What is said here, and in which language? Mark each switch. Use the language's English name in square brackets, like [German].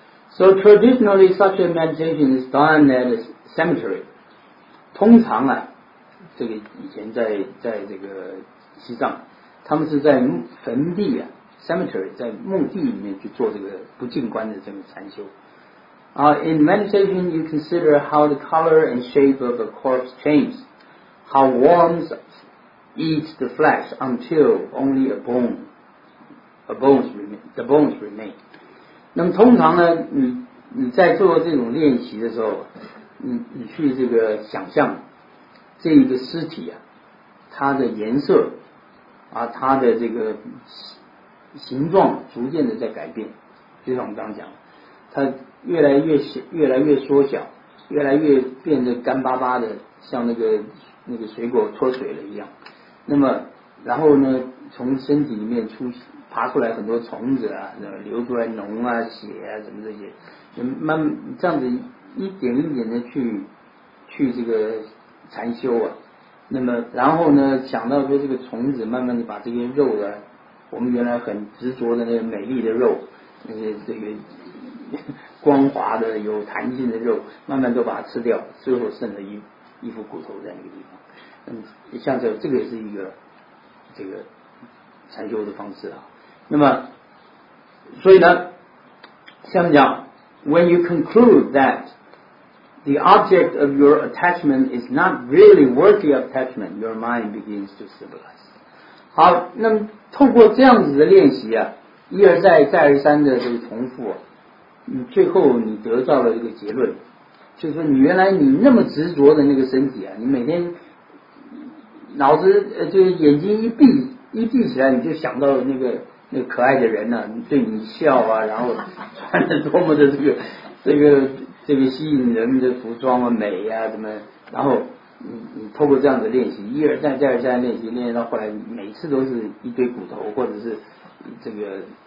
[English] So traditionally such a meditation is done at a cemetery. [Chinese] 通常啊，这个以前在这个西藏，他们是在坟地啊Cemetery， 在墓地里面去做这个不净观的这个禅修。 [English] In meditation, you consider how the color and shape of a corpse changes, how worms eat the flesh until only the bones remain. [Chinese] 那么通常呢，你在做这种练习的时候，你去这个想象这一个尸体啊，它的颜色啊，它的这个。形状逐渐的在改变，就像我们刚刚讲，它越来越小，越来越缩小，越来越变得干巴巴的，像那个水果脱水了一样。那么，然后呢，从身体里面爬出来很多虫子啊，流出来脓啊、血啊什么这些，慢这样子一点一点的去这个禅修啊。那么，然后呢，想到说这个虫子慢慢的把这些肉啊。我们原来很执着的那个美丽的肉，那些这个光滑的有弹性的肉，慢慢都把它吃掉，最后剩了一副骨头在那个地方。像这个也是一个这个禅修的方式啊。那么所以呢，像讲 [English] ，when you conclude that the object of your attachment is not really worthy of attachment, your mind begins to stabilize。 [Chinese] 好，那么。透过这样子的练习啊，一而再再而三的这个重复、啊、你最后你得到了一个结论，就是说你原来你那么执着的那个身体啊，你每天脑子就是眼睛一闭起来，你就想到那个可爱的人啊，对你笑啊，然后穿着多么的这个吸引人的服装啊，美啊什么，然后你透过这样的练习，一而再再而三的练习，练到后来每次都是一堆骨头，或者是这个